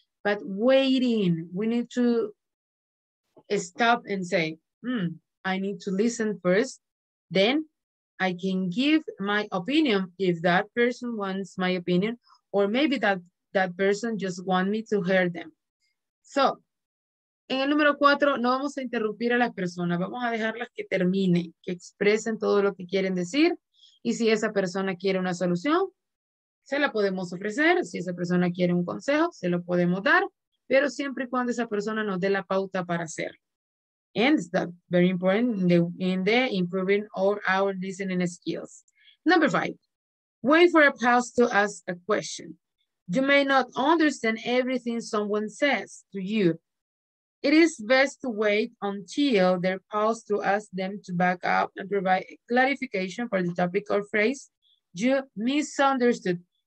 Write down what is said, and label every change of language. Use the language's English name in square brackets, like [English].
[English] But waiting, we need to stop and say, I need to listen first. Then I can give my opinion if that person wants my opinion. Or maybe that person just want me to hear them. [Spanish] So, en el número 4, no vamos a interrumpir a las personas. Vamos a dejarlas que terminen, que expresen todo lo que quieren decir. Y si esa persona quiere una solución, se la podemos ofrecer. Si esa persona quiere un consejo, se lo podemos dar. Pero siempre y cuando esa persona nos dé la pauta para hacerlo. [English] And that's very important in the improving our listening skills. Number 5. Wait for a pause to ask a question. You may not understand everything someone says to you. It is best to wait until their pause to ask them to back up and provide clarification for the topic or phrase you misunderstood.